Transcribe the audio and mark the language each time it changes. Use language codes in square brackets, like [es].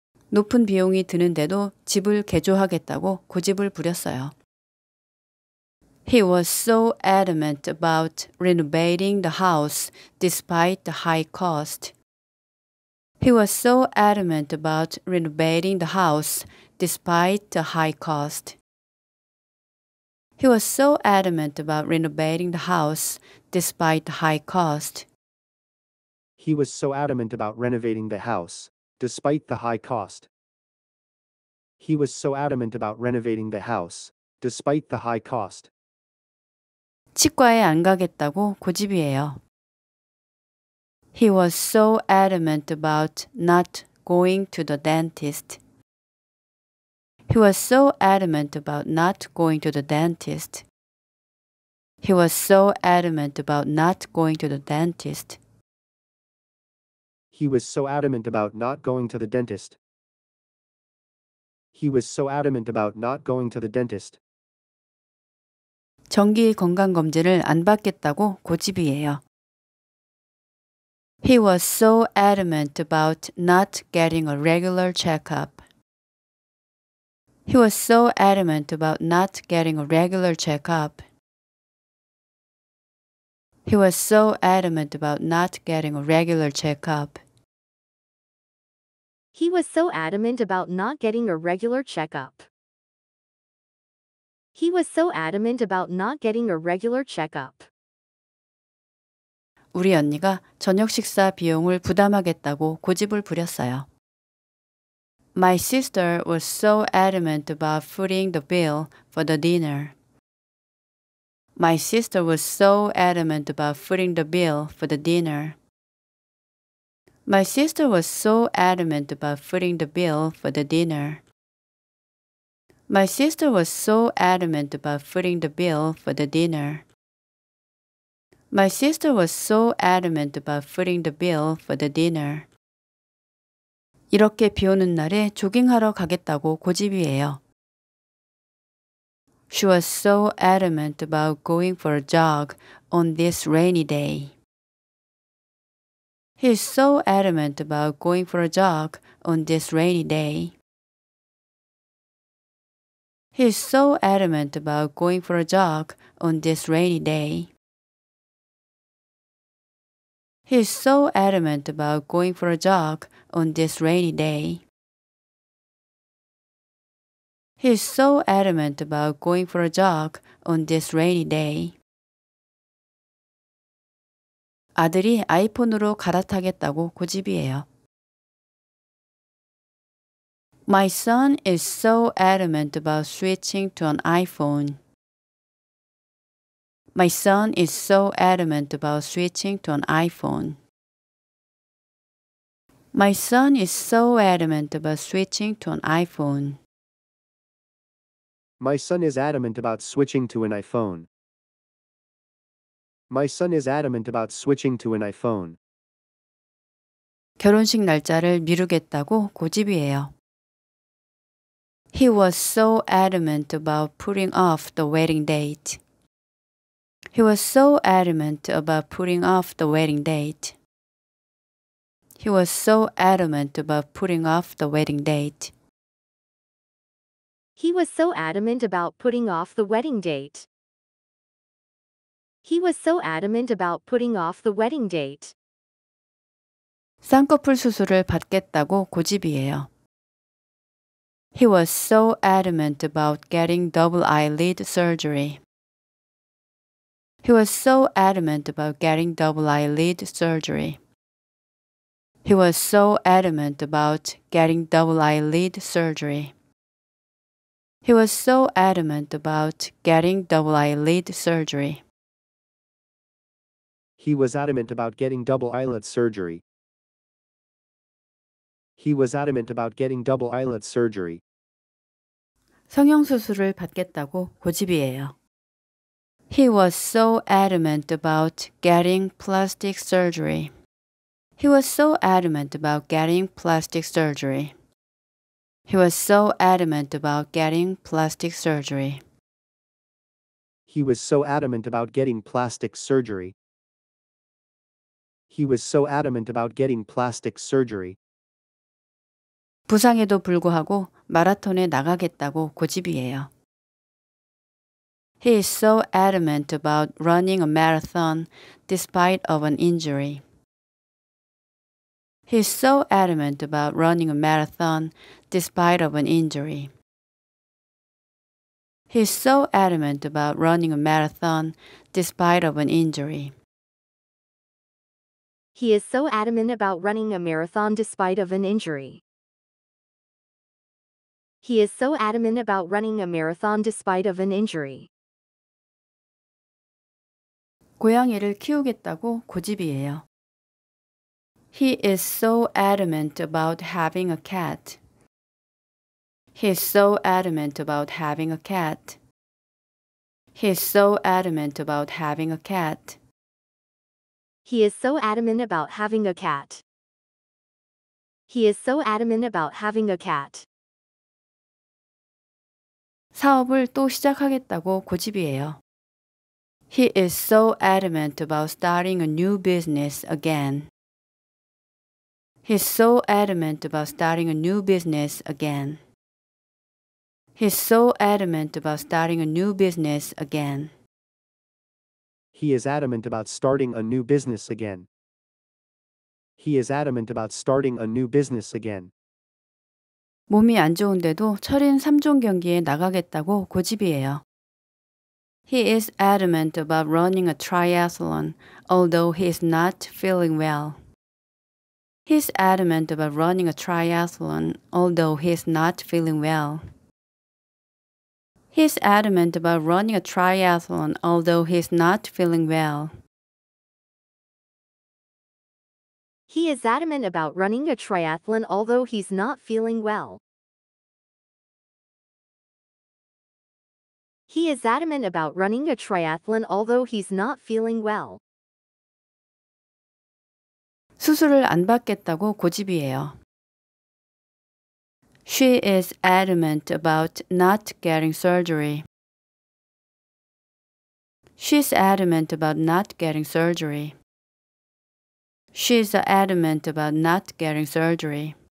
[ko] 높은 비용이 드는데도 집을 개조하겠다고 고집을 부렸어요. [en] He was so adamant about renovating the house despite the high cost. He was so adamant about renovating the house despite the high cost. He was so adamant about renovating the house despite the high cost. He was so adamant about renovating the house, despite the high cost. He was so adamant about renovating the house, despite the high cost. [ko] 치과에 안 가겠다고 고집이에요. [en] He was so adamant about not going to the dentist. He was so adamant about not going to the dentist. He was so adamant about not going to the dentist. He was so adamant about not going to the dentist. He was so adamant about not going to the dentist. [ko] 정기 건강 검진을 안 받겠다고 고집이에요. [en] He was so adamant about not getting a regular checkup. He was so adamant about not getting a regular checkup. He was so adamant about not getting a regular checkup. He was so adamant about not getting a regular checkup. He was so adamant about not getting a regular checkup. [ko] 우리 언니가 저녁 식사 비용을 부담하겠다고 고집을 부렸어요. [en] My sister was so adamant about footing the bill for the dinner. My sister was so adamant about footing the bill for the dinner. My sister was so adamant about footing the bill for the dinner. My sister was so adamant about footing the bill for the dinner. My sister was so adamant about footing the bill for the dinner. [ko] 이렇게 비 오는 날에 조깅하러 가겠다고 고집이에요. [en] She was so adamant about going for a jog on this rainy day. He is so adamant about going for a jog on this rainy day. He is so adamant about going for a jog on this rainy day. He is so adamant about going for a jog on this rainy day. He is so adamant about going for a jog on this rainy day. [ko] 아들이 아이폰으로 갈아타겠다고 고집이에요. [en] My son is so adamant about switching to an iPhone. My son is so adamant about switching to an iPhone. My son is so adamant about switching to an iPhone. My son is adamant about switching to an iPhone. My son is adamant about switching to an iPhone. [ko] 결혼식 날짜를 미루겠다고 고집이에요. [en] He was so adamant about putting off the wedding date. He was so adamant about putting off the wedding date. He was so adamant about putting off the wedding date. He was so adamant about putting off the wedding date. He was so adamant about putting off the wedding date. [ko] 쌍꺼풀 수술을 받겠다고 고집이에요. [en] He was so adamant about getting double eyelid surgery. He was so adamant about getting double eyelid surgery. He was so adamant about getting double eyelid surgery. He was so adamant about getting double eyelid surgery. He was adamant about getting double eyelid surgery. He was adamant about getting double eyelid surgery. [ko] 성형 수술을 받겠다고 고집이에요. [en] He was so adamant about getting plastic surgery. He was so adamant about getting plastic surgery. He was so adamant about getting plastic surgery. He was so adamant about getting plastic surgery. He was so adamant about getting plastic surgery. [ko] 부상에도 불구하고 마라톤에 나가겠다고 고집이에요. [en] He is so adamant about running a marathon despite of an injury. He is so adamant about running a marathon despite of an injury. He is so adamant about running a marathon despite of an injury. He is so adamant about running a marathon despite of an injury. He is so adamant about running a marathon despite of an injury. [ko] 고양이를 키우겠다고 고집이에요. [en] He is so adamant about having a cat. He is so adamant about having a cat. He is so adamant about having a cat. He is so adamant about having a cat. He is so adamant about having a cat. [ko] 사업을 또 시작하겠다고 고집이에요. [en] He is so adamant about starting a new business again. He's so adamant about starting a new business again. He's so adamant about starting a new business again. He is adamant about starting a new business again. He is adamant about starting a new business again. [ko] 몸이 안 좋은데도 철인 3종 경기에 나가겠다고 고집이에요. [en] He is adamant about running a triathlon, although he is not feeling well. He's adamant about running a triathlon, although he is not feeling well. He's adamant about running a triathlon, although he is not feeling well. He is adamant about running a triathlon, although he's not feeling well. He is adamant about running a triathlon, although he's not feeling well. [ko] 수술을 안 받겠다고 고집이에요. [en] She is adamant about not getting surgery. She's adamant about not getting surgery. She's adamant about not getting surgery.